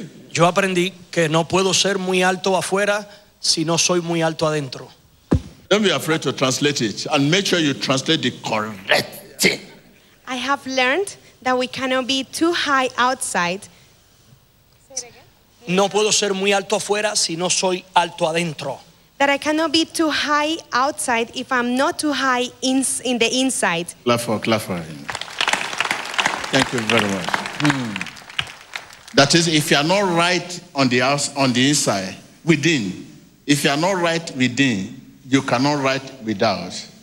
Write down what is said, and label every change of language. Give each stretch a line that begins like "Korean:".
Spanish: Yo aprendí que no puedo ser muy alto afuera si no soy muy alto adentro.
English: Don't be afraid to translate it and make sure you translate the correct thing. I have learned that we cannot be too high outside.
Spanish: No puedo ser muy alto afuera si no soy alto adentro.
English: That I cannot be too high outside if I'm not too high in the inside. Clap for him. Thank you very much. That is, if you are not right on the inside, within. If you are not right within, you cannot right without.